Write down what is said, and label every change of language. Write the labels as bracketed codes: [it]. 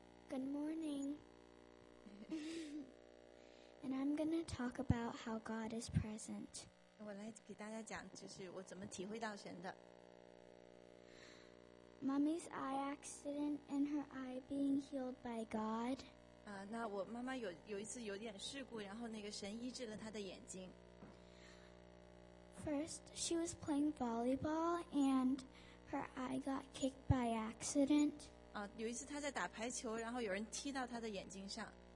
[en] Good morning, and I'm gonna talk about how God is present. [zh] 我来给大家讲，就是我怎么体会到神的。 [en] Mommy's eye accident and her eye being healed by God. [zh] 啊，那我妈妈有一次有点事故，然后那个神医治了她的眼睛。 [en] First, she was playing volleyball and her eye got kicked by accident. [zh] 啊，有一次她在打排球，然后有人踢到她的眼睛上。